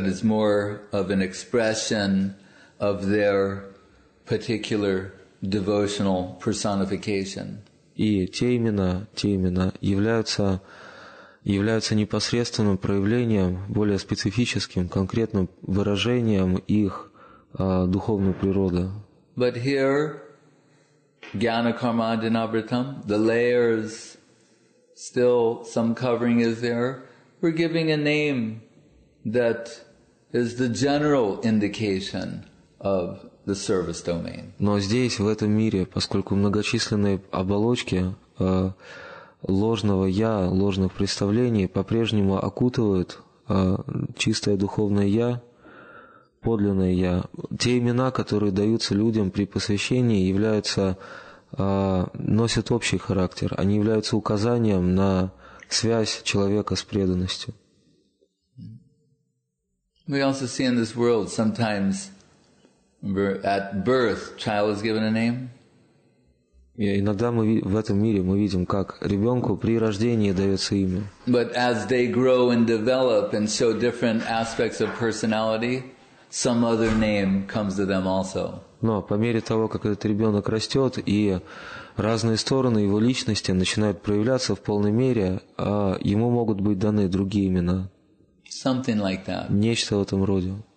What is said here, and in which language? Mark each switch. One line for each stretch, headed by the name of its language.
English: That is more of an expression of their particular devotional personification.
Russian: И те имена являются непосредственным проявлением, более специфическим, конкретным выражением их духовной природы.
English: But here, Jnana Karma Dinavritam, the layers, still some covering is there. We're giving a name that is the general indication of the service domain.
Russian: Но здесь, в этом мире, поскольку многочисленные оболочки ложного «я», ложных представлений по-прежнему окутывают чистое духовное «я», подлинное «я», те имена, которые даются людям при посвящении, являются, носят общий характер. Они являются указанием на связь человека с преданностью.
English: We also see in this world sometimes at birth child is given a name.
Russian: И иногда мы в этом мире мы видим, как ребенку при рождении дается имя.
English: But as they grow and develop and show different aspects of personality, some other name comes to them also.
Russian: Но по мере того, как этот ребенок растет и разные стороны его личности начинают проявляться в полной мере, ему могут быть даны другие имена.
English: Something like that.
Russian: Нечто в этом роде.